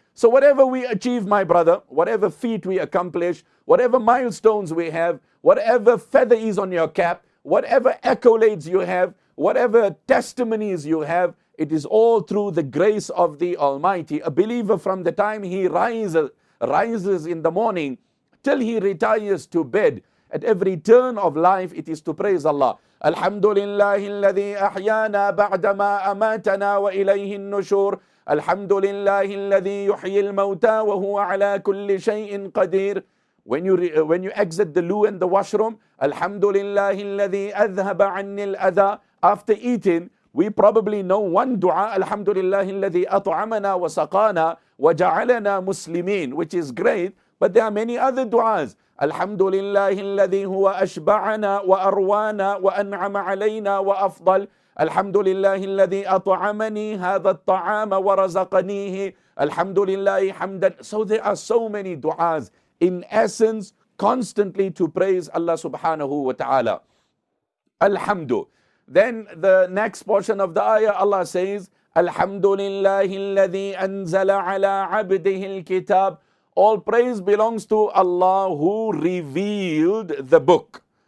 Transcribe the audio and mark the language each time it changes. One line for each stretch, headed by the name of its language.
English: So whatever we achieve, my brother, whatever feat we accomplish, whatever milestones we have, whatever feather is on your cap, whatever accolades you have, whatever testimonies you have, it is all through the grace of the Almighty. A believer from the time he rises in the morning till he retires to bed, at every turn of life, it is to praise Allah.
Arabic: الحمد لله الذي أحيانا بعدما أماتنا وإليه النشور الحمد لله الذي يحيي الموتى وهو على كل شيء قدير.
English: When you exit the loo and the washroom,
Arabic: الحمد لله الذي أذهب عني الأذى.
English: After eating, we probably know one dua,
Arabic: الحمد لله الذي أطعمنا وسقانا وجعلنا مسلمين,
English: which is great, but there are many other duas.
Arabic: الحمد لله الذي هو أشبعنا وأروانا وأنعم علينا وأفضل الحمد لله الذي أطعمني هذا الطعام ورزقنيه الحمد لله حمدا.
English: So there are so many du'as. In essence, constantly to praise Allah subhanahu wa ta'ala.
Arabic: الحمد.
English: Then the next portion of the ayah, Allah says,
Arabic: الحمد لله الذي أنزل على عبده الكتاب
English: All praise belongs to Allah who revealed the book.